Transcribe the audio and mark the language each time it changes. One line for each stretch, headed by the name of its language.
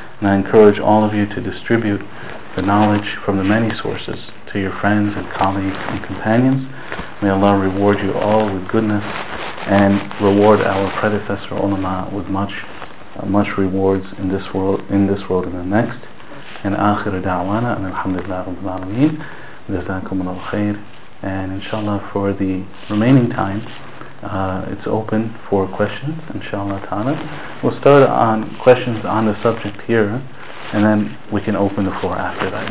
English: And I encourage all of you to distribute the knowledge from the many sources to your friends and colleagues and companions. May Allah reward you all with goodness and reward our predecessor ulama with much rewards in this world and the next. And
Arabic: آخر دعوانا أن الحمد لله رب العالمين جزاكم الله خير.
English: And inshallah for the remaining time, it's open for questions, inshallah ta'ala. We'll start on questions on the subject here, and then we can open the floor after that.